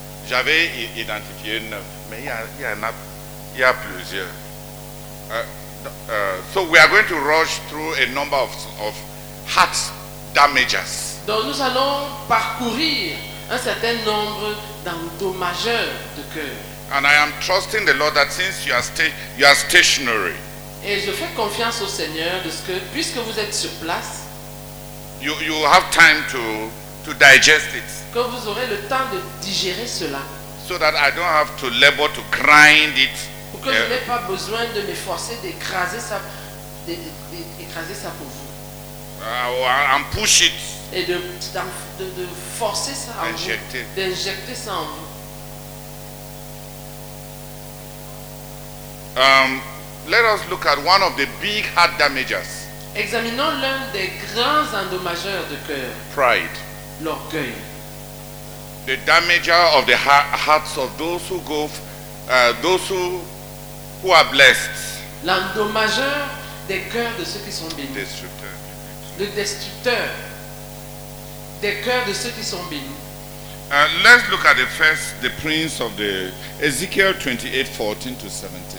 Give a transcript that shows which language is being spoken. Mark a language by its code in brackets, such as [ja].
[fr] J'avais identifié neuf, mais il y a plusieurs. [en] So we are going to rush through a number of heart damages. [fr] Donc nous allons parcourir un certain nombre d'endommageurs de cœur. [en] And I am trusting the Lord that since you are stationary. [fr] Et je fais confiance au Seigneur de ce que puisque vous êtes sur place, [en] you have time to digest it. [fr] Que vous aurez le temps de digérer cela. [en] So that I don't have to labor to grind it. [fr] Pour que je n'ai pas besoin de m'efforcer d'écraser ça pour vous. [en] And push it. [fr] Et de forcer ça en injecter. Vous. D'injecter ça en vous. [en] Let us look at one of the big heart damages. [fr] Examinons l'un des grands endommageurs de cœur. [en] Pride. [fr] L'orgueil. [en] The damager of the hearts of those who go, those who are blessed. [fr] L'endommageur des cœurs de ceux qui sont bénis. Destructeur. Le destructeur des cœurs de ceux qui sont bénis. [en] Let's look at the first, the prince of the Ezekiel 28, 14 to 17.